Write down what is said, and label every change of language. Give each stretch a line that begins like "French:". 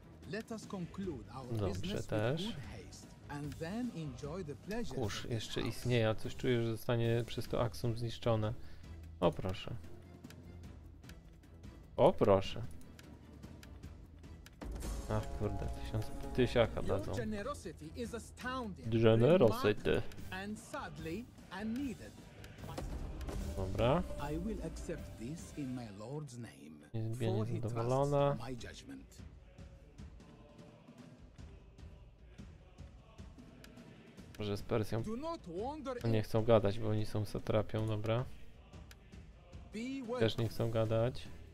English: Let us conclude our business with good haste and then enjoy the pleasure.
Polish: Kurz, jeszcze istnieje, a coś czuję, że zostanie przez to Aksum zniszczone. O proszę. O proszę. Ach kurde, tysiąc tysiaka dadzą.
English: Generosity is astounding. Generosity. And sadly unneeded.
Polish: Dobra.
English: I will accept this in my lord's name.
Polish: Jest bardzo zadowolona. Może z Persją. Nie chcą gadać, bo oni są satrapią, dobra. Też nie chcą gadać.